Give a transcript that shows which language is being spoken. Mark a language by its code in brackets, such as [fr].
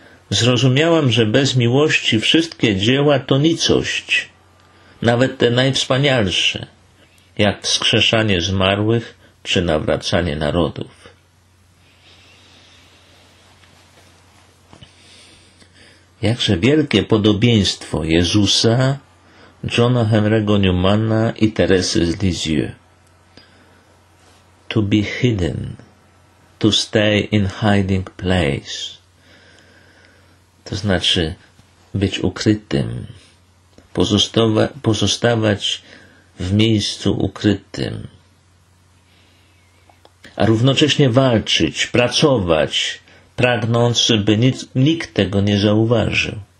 [pl] Zrozumiałam, że bez miłości wszystkie dzieła to nicość, nawet te najwspanialsze, jak wskrzeszanie zmarłych czy nawracanie narodów. Jakże wielkie podobieństwo Jezusa, Johna Henry'ego Newmana i Teresy z Lisieux. [en] To be hidden, to stay in hiding place. [pl] To znaczy być ukrytym, pozostawać w miejscu ukrytym, a równocześnie walczyć, pracować, pragnąc, by nikt tego nie zauważył.